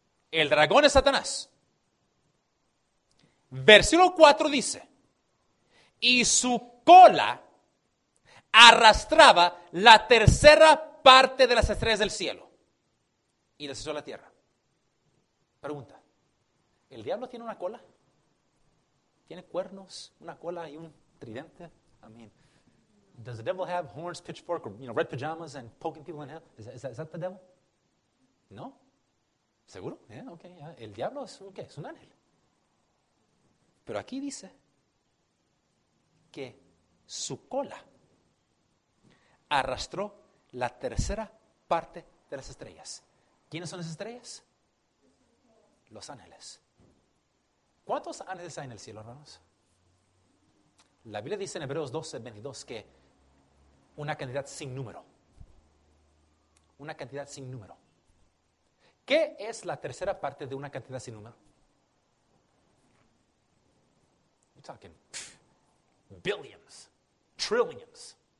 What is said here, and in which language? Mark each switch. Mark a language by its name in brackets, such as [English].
[Spanish] El dragón es Satanás. Versículo 4 dice: y su cola arrastraba la tercera parte de las estrellas del cielo y las echó a la tierra. Pregunta: ¿el diablo tiene una cola? ¿Tiene cuernos, una cola y un tridente? [English] I mean, does the devil have horns, pitchfork, or, you know, red pajamas and poking people in hell? Is that the devil? No. [Spanish] ¿Seguro? [English] Yeah, okay. Yeah. [Spanish] El diablo es un, ¿qué? Es un ángel. Pero aquí dice que su cola arrastró la tercera parte de las estrellas. ¿Quiénes son esas estrellas? Los ángeles. ¿Cuántos ángeles hay en el cielo, hermanos? La Biblia dice en Hebreos 12, 22 que una cantidad sin número. Una cantidad sin número. ¿Qué es la tercera parte de una cantidad sin número? [English] You're talking billions, trillions.